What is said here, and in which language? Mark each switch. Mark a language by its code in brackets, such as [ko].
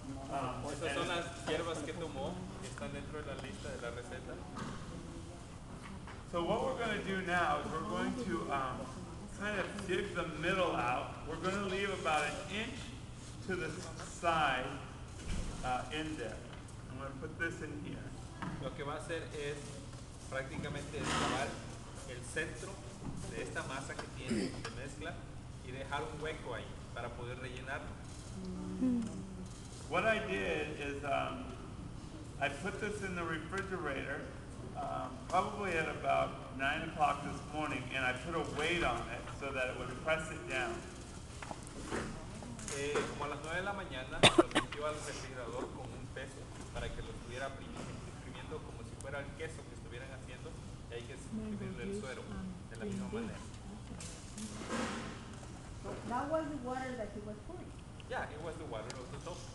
[es] Esas son las hierbas que tomó, están dentro de la lista de la receta. [en] So what we're going to do now is we're going to kind of dig the middle out. We're going to leave about an inch to the side in there. I'm going to put this in here. [es] Lo que va a hacer es prácticamente excavar el centro de esta masa que tiene de mezcla y dejar un hueco ahí para poder rellenarlo. [en] What I did is I put this in the refrigerator probably at about 9 o'clock this morning, and I put a weight on it so that it would press it down. [es] Como a las 9 de la mañana, lo metió al refrigerador con un peso para que lo estuviera exprimiendo como si fuera el queso que estuvieran haciendo, y hay que exprimirle el suero de la misma manera. [en] That was the water that he was pouring. Yeah, it was the water of the tofu.